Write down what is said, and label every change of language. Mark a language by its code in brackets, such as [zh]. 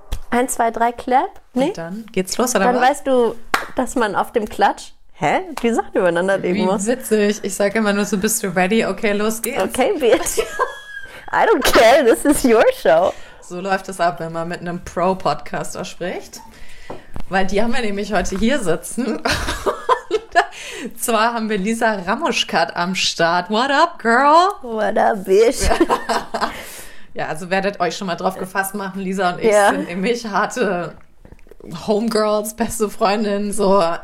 [de] Eins, zwei, drei, clap. Nee? Und dann geht's los, oder dann was? Dann weißt du, dass man auf dem Klatsch, die Sachen übereinander legen muss. Wie witzig. Ich sag immer nur so, bist du ready? Okay, los geht's. [en] Okay, bitch. I don't care, this is your show. [de] So läuft es ab, wenn man mit einem Pro-Podcaster spricht. Weil die haben wir nämlich heute hier sitzen. Und zwar haben wir Lisa Ramoschkat am Start. [en] What up, girl? What up, bitch? [de] Ja, also werdet euch schon mal drauf gefasst machen, Lisa und ich sind nämlich harte Homegirls, beste Freundinnen, so.